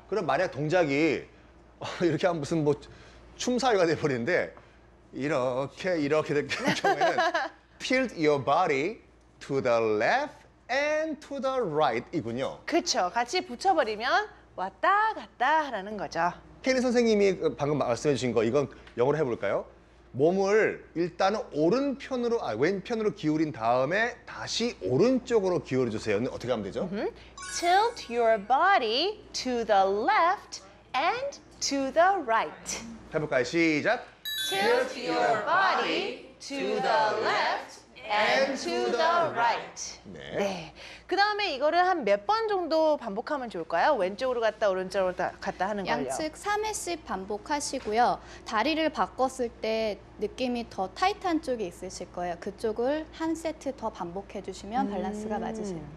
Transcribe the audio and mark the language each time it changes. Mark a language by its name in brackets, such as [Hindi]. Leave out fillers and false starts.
[Korean] 그럼 만약 동작이 이렇게 하면 무슨 뭐 춤사위가 돼버리는데 이렇게 될 경우에는 [English] Tilt your body to the left and to the right [Korean] 이군요. 그렇죠. 같이 붙여버리면 왔다 갔다 라는 거죠. 케린 선생님이 방금 말씀해 주신 거 이건 영어로 해볼까요? 몸을 일단은 오른편으로, 아 왼편으로 기울인 다음에 다시 오른쪽으로 기울여 주세요. 어떻게 하면 되죠? [English] Tilt your body to the left and to the right. [Korean] 해볼까요? 시작! [English] Tilt your body to the left and to the right. [Korean] 네. 네. 그 다음에 이거를 한 몇 번 정도 반복하면 좋을까요? 왼쪽으로 갔다 오른쪽으로 갔다 하는 양측 걸요. 양측 3회씩 반복하시고요. 다리를 바꿨을 때 느낌이 더 타이트한 쪽이 있으실 거예요. 그쪽을 한 세트 더 반복해 주시면 밸런스가 맞으세요.